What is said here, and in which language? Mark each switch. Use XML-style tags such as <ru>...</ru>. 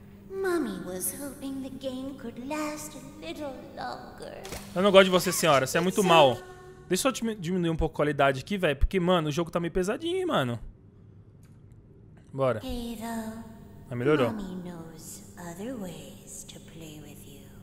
<en>Mommy was hoping the game could last a little longer.</en> <pt>Eu não gosto de você, senhora. Você é muito mal. Deixa eu diminuir um pouco a qualidade aqui, velho. Porque, mano, o jogo tá meio pesadinho, mano. Bora.</pt> <en>Hey,</en> <pt>ah, melhorou.</pt> <en>Mommy knows other ways to play with you.</en>